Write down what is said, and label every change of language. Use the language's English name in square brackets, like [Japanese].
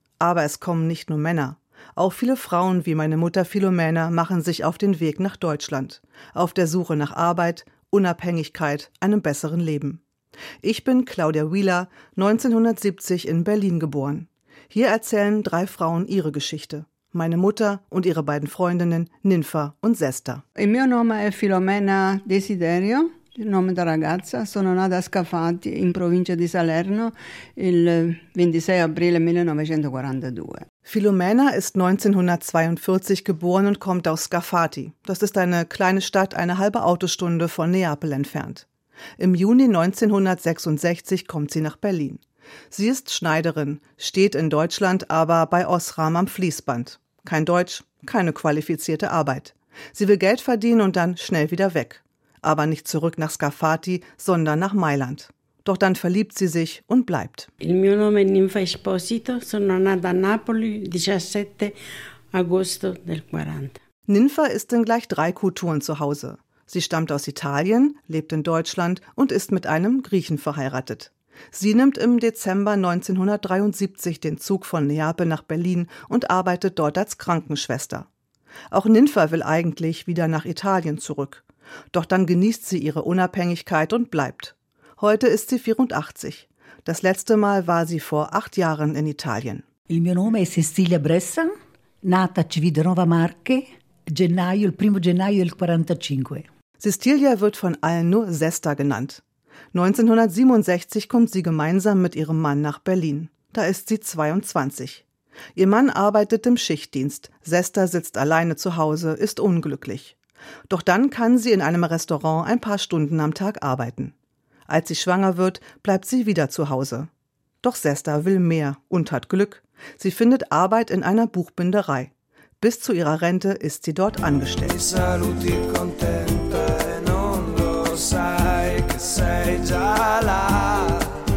[German] Aber es kommen nicht nur Männer. Auch viele Frauen, wie meine Mutter Filomena, machen sich auf den Weg nach Deutschland. Auf der Suche nach Arbeit, Unabhängigkeit, einem besseren Leben. Ich bin Claudia Wheeler, 1970 in Berlin geboren. Hier erzählen drei Frauen ihre Geschichte. Meine Mutter und ihre beiden Freundinnen Ninfa und Sesta. [Italian] Il mio nome è Filomena Desiderio, il nome della ragazza. Sono nata a Scafati in provincia di Salerno il 26 aprile 1942. [German] Filomena ist 1942 geboren und kommt aus Scafati. Das ist eine kleine Stadt, eine halbe Autostunde von Neapel entfernt. Im Juni 1966 kommt sie nach Berlin. Sie ist Schneiderin, steht in Deutschland aber bei Osram am Fließband. Kein Deutsch, keine qualifizierte Arbeit. Sie will Geld verdienen und dann schnell wieder weg. Aber nicht zurück nach Scafati, sondern nach Mailand. Doch dann verliebt sie sich und bleibt. [Italian] Il mio nome è Ninfa Esposito, sono nata a Napoli, 17 agosto del 40. [German] Ninfa ist in gleich drei Kulturen zu Hause. Sie stammt aus Italien, lebt in Deutschland und ist mit einem Griechen verheiratet. Sie nimmt im Dezember 1973 den Zug von Neapel nach Berlin und arbeitet dort als Krankenschwester. Auch Ninfa will eigentlich wieder nach Italien zurück. Doch dann genießt sie ihre Unabhängigkeit und bleibt. Heute ist sie 84. Das letzte Mal war sie vor 8 Jahren in Italien. [Italian] Il mio nome è Cecilia Bressa, nata Civitanova Marche, gennaio, il primo gennaio del 45. [German] Cecilia wird von allen nur Sesta genannt. 1967 kommt sie gemeinsam mit ihrem Mann nach Berlin. Da ist sie 22. Ihr Mann arbeitet im Schichtdienst. Sesta sitzt alleine zu Hause, ist unglücklich. Doch dann kann sie in einem Restaurant ein paar Stunden am Tag arbeiten. Als sie schwanger wird, bleibt sie wieder zu Hause. Doch Sesta will mehr und hat Glück. Sie findet Arbeit in einer Buchbinderei. Bis zu ihrer Rente ist sie dort angestellt. [Italian] Ti saluti contenta, non lo sai che sei già là.